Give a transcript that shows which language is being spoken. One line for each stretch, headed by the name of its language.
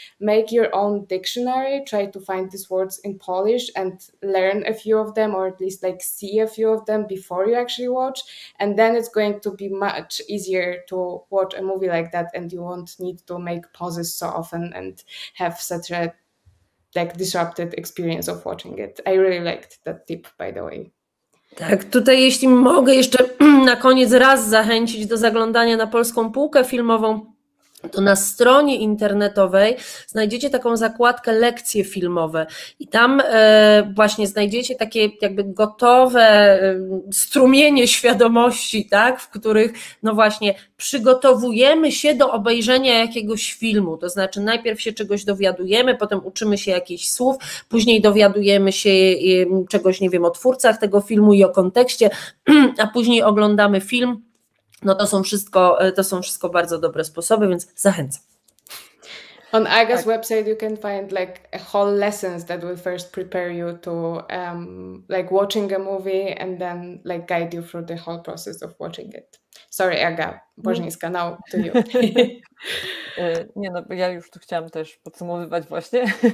English: Make your own dictionary. Try to find these words in Polish and learn a few of them, or at least like see a few of them before you actually watch. And then it's going to be much easier to watch a movie like that, and you won't need to make pauses so often and have such a like disrupted experience of watching it. I really liked that tip, by the way.
Polish: Tak, tutaj jeśli mogę jeszcze na koniec raz zachęcić do zaglądania na polską półkę filmową, to na stronie internetowej znajdziecie taką zakładkę lekcje filmowe i tam właśnie znajdziecie takie jakby gotowe strumienie świadomości, tak, w których no właśnie przygotowujemy się do obejrzenia jakiegoś filmu, to znaczy najpierw się czegoś dowiadujemy, potem uczymy się jakichś słów, później dowiadujemy się czegoś, nie wiem, o twórcach tego filmu i o kontekście, a później oglądamy film. No to są wszystko bardzo dobre sposoby, więc zachęcam.
English: On Aga's website you can find like a whole lessons that will first prepare you to like watching a movie and then like guide you through the whole process of watching it. Sorry, Aga Błażyńska, now to you.
Polish: Nie no, ja już tu chciałam też podsumowywać właśnie.